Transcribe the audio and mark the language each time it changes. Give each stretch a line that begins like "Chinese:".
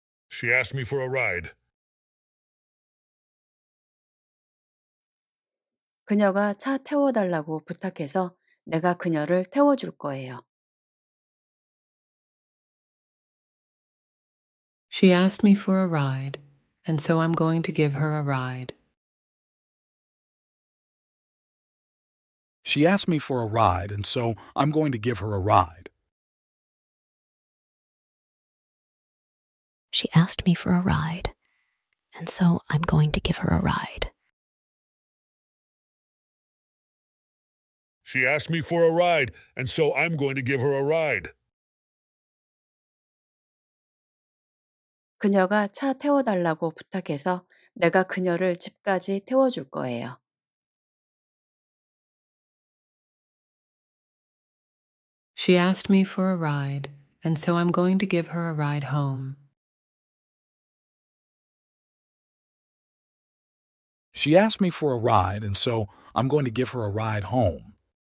English: She asked me for a ride.
Korean: 그녀가 차 태워달라고 부탁해서 내가 그녀를 태워줄 거예요.
English: She asked me for a ride, and so I'm going to give her a ride. She asked me for a ride, and so I'm going to give her a ride. She asked me for a ride, and so I'm going to give her a ride. She asked me for a ride, and so I'm going to give her a ride.
Korean: 그녀가 차 태워달라고 부탁해서 내가 그녀를 집까지 태워줄 거예요.
English: She asked me for a ride, and so I'm going to give her a ride home. She asked me for a ride, and so I'm going to give her a ride home.